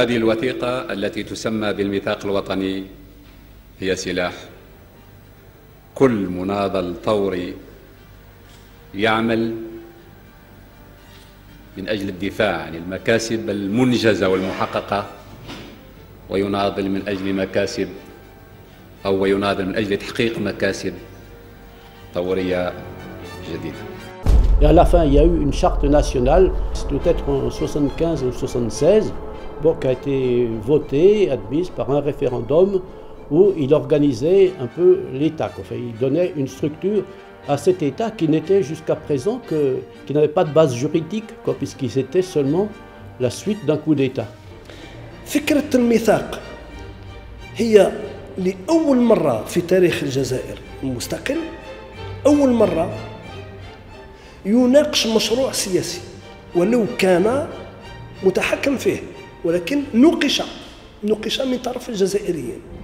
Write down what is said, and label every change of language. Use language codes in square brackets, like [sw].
[ar] 1965 هي سلاح، كل مناضل ثوري يعمل من أجل الدفاع عن المكاسب المنجزة والمحققة، ويناضل من أجل مكاسب أو يناضل من أجل تحقيق مكاسب ثورية جديدة. [fr] Et à la fin, il y a eu une charte nationale, c'est peut-être en 75 ou 76, bon, qui a été votée, admise par un référendum. Où il organisait un peu l'État, enfin, il donnait une structure à cet État qui n'était jusqu'à présent que, qui n'avait pas de base juridique, quoi, puisqu'il était seulement la suite d'un coup d'État. [ar] فكرة الميثاق هي لأول مرة في تاريخ الجزائر المستقل أول مرة يناقش مشروع سياسي ولو كان متحكم فيه، ولكن نقش من طرف الجزائريين.